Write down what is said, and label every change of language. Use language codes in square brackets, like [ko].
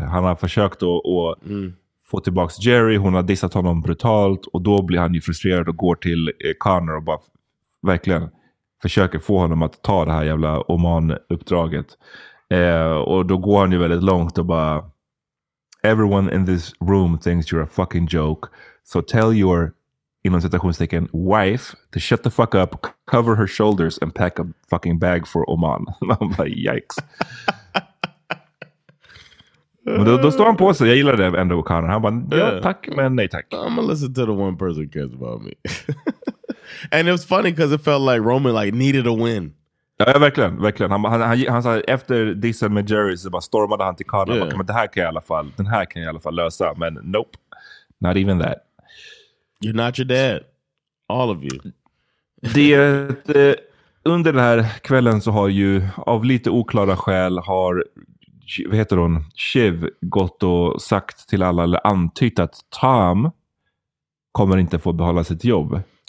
[sv] Han har försökt att få tillbaka Jerry. Hon har dissat honom brutalt. Och då blir han ju frustrerad och går till Connor och bara verkligen försöker få honom att ta det här jävla Oman-uppdraget. Och då går han ju väldigt långt och bara... [en] Everyone in this room thinks you're a fucking joke. So tell your, [sv] inom citationstecken, [en] wife to shut the fuck up, cover her shoulders and pack a fucking bag for Oman. I'm like, yikes. [sv] Men då står han på sig. Jag gillar det ändå, Connor. Han bara, ja, tack, men nej tack. [en] I'm gonna listen to the one person who cares about me. And it was funny because it felt like Roman like needed a win. [sv] Ja, verkligen. Han sa, efter dissen med Jerry så bara stormade han till Connor. Yeah. Men den här kan jag i alla fall lösa. [en] Men nope, not even that. You're not your dad. All of you. [sv] Under den här kvällen så har ju, av lite oklara skäl, har, vad heter hon, Shiv gått och sagt till alla, eller antytt att Tom kommer inte få behålla sitt jobb.